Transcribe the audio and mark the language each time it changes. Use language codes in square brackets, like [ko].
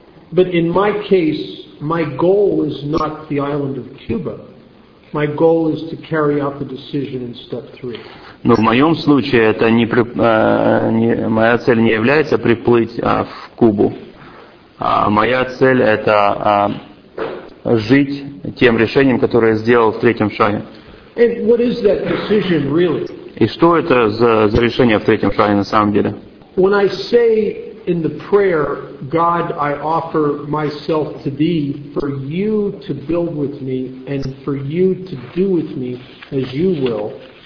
[en] But in my case, my goal is not the island of Cuba. My goal is to carry out the decision in step 3. [ru] Но в моем случае это не моя цель не является приплыть в Кубу. А моя цель это жить тем решением, которое я сделал в третьем шаге. [en] And what is that decision really? [ru] И что это за решение в третьем шаге на самом деле? [en] When I say in the prayer, God, I offer myself to thee for you to build with me and for you to do with me as you will.